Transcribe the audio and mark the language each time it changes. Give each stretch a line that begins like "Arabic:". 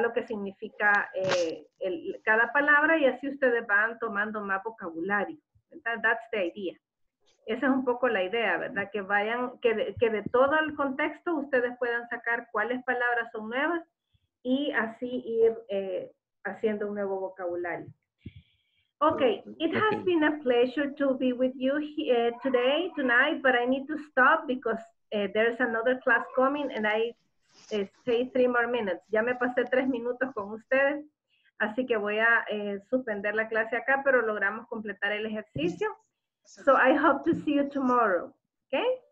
Spanish: Lo que significa cada palabra y así ustedes van tomando más vocabulario, ¿verdad?
English: That's the idea.
Spanish: Esa es un poco la idea, ¿verdad? Que vayan, que de todo el contexto ustedes puedan sacar cuáles palabras son nuevas y así ir haciendo un nuevo vocabulario.
English: Okay, it has been a pleasure to be with you tonight, but I need to stop because there's another class coming and I stay 3 more minutes.
Spanish: Ya me pasé 3 minutos con ustedes, así que voy a suspender la clase acá, pero logramos completar el ejercicio.
English: So I hope to see you tomorrow, okay?